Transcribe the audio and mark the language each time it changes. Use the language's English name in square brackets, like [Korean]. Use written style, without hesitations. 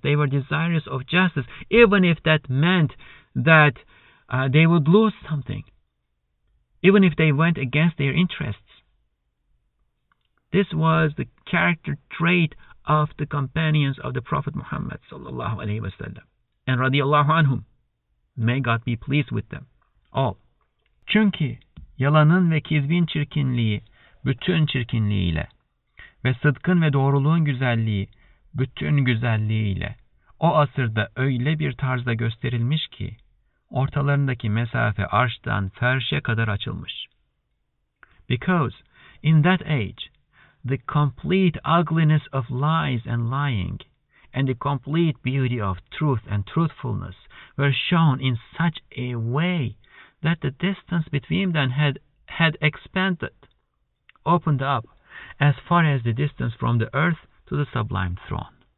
[English] They were desirous of justice. Even if that meant that they would lose something. Even if they went against their interests. This was the character trait of the companions of the Prophet Muhammad sallallahu alaihi wasallam and radiyallahu anhum. May God be pleased with them all. [Turkish] Çünkü yalanın ve kizbin çirkinliği bütün çirkinliğiyle ve sıdkın ve doğruluğun güzelliği bütün güzelliğiyle o asırda öyle bir tarzda gösterilmiş ki ortalarındaki mesafe arştan ferşe kadar açılmış. [English] Because in that age, the complete ugliness of lies and lying and the complete beauty of truth and truthfulness were shown in such a way that the distance between them had expanded, opened up as far as the distance from the earth to the sublime throne.